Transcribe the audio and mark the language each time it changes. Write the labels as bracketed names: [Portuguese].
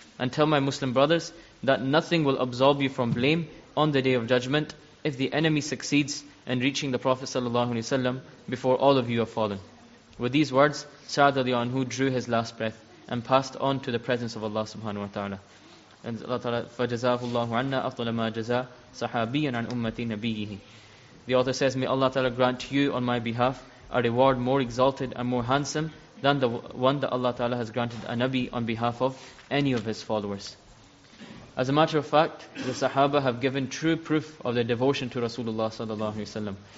[English] And tell my Muslim brothers that nothing will absolve you from blame on the Day of Judgment if the enemy succeeds in reaching the Prophet sallallahu alaihi wasallam before all of you have fallen." With these words, Sa'd radiallahu anhu drew his last breath and passed on to the presence of Allah subhanahu wa ta'ala. And Allah ta'ala, [Arabic] فَجَزَاهُ اللَّهُ عَنَّا أَفْضَلَ مَا جَزَى صَحَابِيًا عَنْ أُمَّةِ نَبِيِّهِ. [English] The author says, "May Allah Ta'ala grant you on my behalf a reward more exalted and more handsome than the one that Allah Ta'ala has granted a Nabi on behalf of any of his followers." As a matter of fact, the Sahaba have given true proof of their devotion to Rasulullah sallallahu alaihi wasallam.